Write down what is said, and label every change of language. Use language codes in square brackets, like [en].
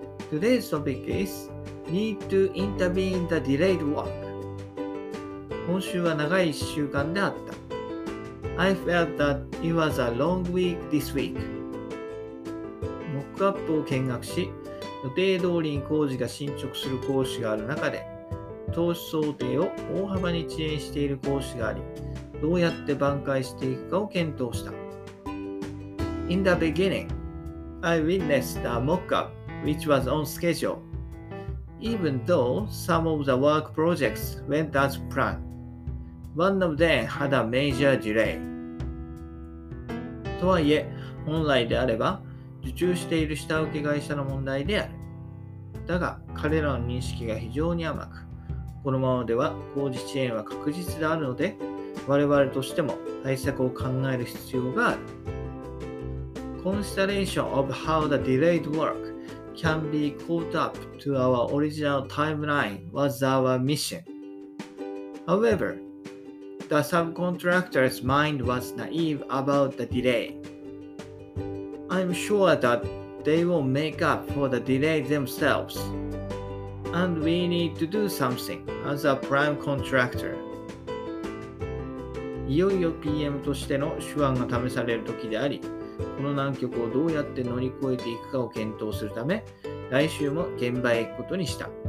[en] Today's topic is Need to intervene in the delayed work. [ja] 今週は長い1週間であった。 [en] I felt that it was a long week this week. [ja] モックアップを見学し、予定通りに工事が進捗する講師がある中で、投資想定を大幅に遅延している講師があり、どうやって挽回していくかを検討した。 [en] In the beginning, I witnessed a mock-up which was on schedule. Even though some of the work projects went as planned, one of them had a major delay. [ja] とはいえ、本来であれば受注している下請け会社の問題である。だが彼らの認識が非常に甘く、このままでは工事遅延は確実であるので、我々としても対策を考える必要がある。 [en] Consideration of how the delayed work can be caught up to our original timeline was our mission. However, the subcontractor's mind was naive about the delay. I'm sure that they will make up for the delay themselves. And we need to do something as a prime contractor. [ja] いよいよ PM としての手腕が試される時であり、この難局をどうやって乗り越えていくかを検討するため、来週も現場へ行くことにした。